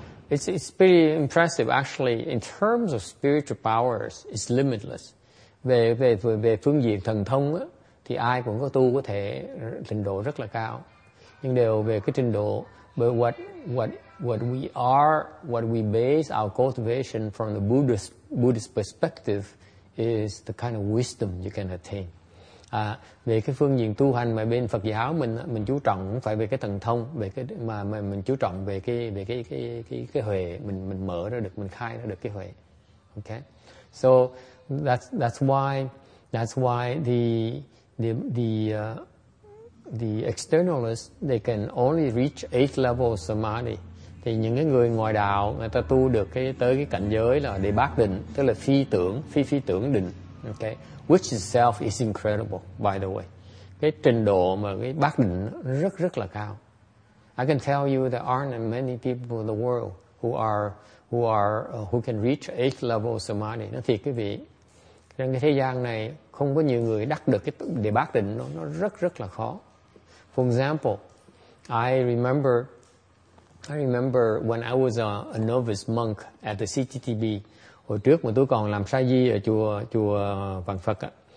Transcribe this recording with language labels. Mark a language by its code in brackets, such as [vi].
[en] It's pretty impressive actually in terms of spiritual powers, it's limitless. [vi] Về phương diện thần thông á, thì ai cũng có tu có thể trình độ rất là cao, nhưng đều về cái trình độ [en] but what we are, what we base our cultivation from the Buddhist perspective is the kind of wisdom you can attain. [vi] Về cái phương diện tu hành mà bên Phật giáo mình chú trọng không phải về cái thần thông, về cái mà mình chú trọng về cái huệ mình mở ra được, mình khai ra được cái huệ. [en] Okay. So that's why the externalists, they can only reach eighth level samadhi. [vi] Thì những cái người ngoài đạo người ta tu được cái tới cái cảnh giới là đề bát định, tức là phi tưởng định, okay, [en] which itself is incredible, by the way. [vi] Cái trình độ mà cái bát định rất rất là cao. [en] I can tell you there aren't many people in the world who can reach eighth level samadhi. [vi] Nói thiệt quý vị, trên cái thế gian này không có nhiều người đắc được cái đề bát định, nó rất rất là khó. [en] For example, I remember when I was a novice monk at the CTTB. [vi] Hồi trước mà tôi còn làm sa di ở chùa Vạn Phật á,